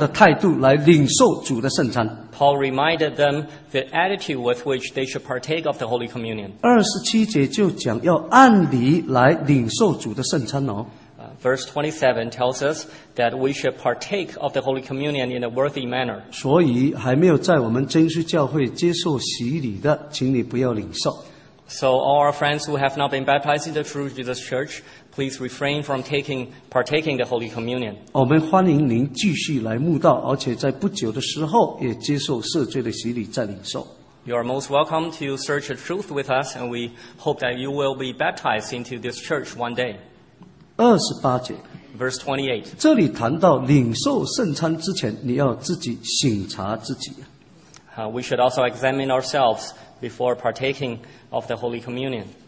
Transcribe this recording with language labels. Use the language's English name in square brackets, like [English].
[Chinese] 并且也告诉他们要用什么样的态度来领受主的圣餐。 [English] Paul reminded them the attitude with which they should partake of the Holy Communion. [Chinese] 27节就讲要按理来领受主的圣餐哦。 [English] Verse 27 tells us that we should partake of the Holy Communion in a worthy manner. [Chinese] 所以还没有在我们真实教会接受洗礼的，请你不要领受。 [English] So all our friends who have not been baptized in the true Jesus Church, please refrain from partaking the Holy Communion. [Chinese] 我们欢迎您继续来慕道，而且在不久的时候也接受赦罪的洗礼再领受。 [English] You are most welcome to search the truth with us, and we hope that you will be baptized into this church one day. [Chinese] 28节。 [English] Verse 28. [Chinese] 这里谈到领受圣餐之前，你要自己省察自己。 [English] We should also examine ourselves before partaking of the Holy Communion.